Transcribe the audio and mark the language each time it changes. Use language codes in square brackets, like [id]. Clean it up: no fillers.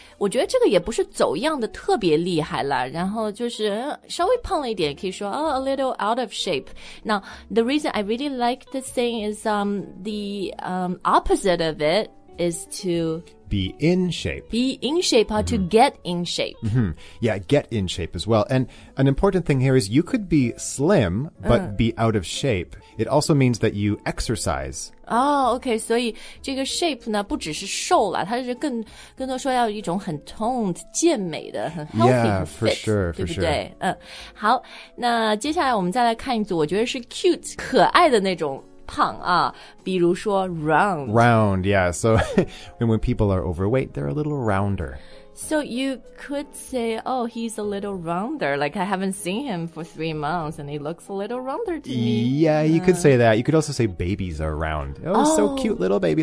[zh] 我觉得这个也不是走样的特别厉害了。然后就是、稍微胖了一点可以说、 [en] a little out of shape. Now, the reason I really like this saying is the opposite of it is to... Be in shape, or to get in shape. Yeah, get in shape as well. And an important thing here is you could be slim, but be out of shape. It also means that you exercise. Oh, okay. So this shape [zh] 呢不只是瘦了它是更多说要一种很 toned, 健美的很 healthy, [en] yeah, [zh] 很 fit, [en] for sure, [zh] 对不对 [en] for sure.、 [zh] 好那接下来我们再来看一组我觉得是 cute, 可爱的那种。胖啊，比如说 round. [en] Round, yeah. So when people are overweight, they're a little rounder. So you could say, oh, he's a little rounder. Like I haven't seen him for 3 months and he looks a little rounder to me. Yeah, you could say that. You could also say babies are round. Oh, so cute little baby.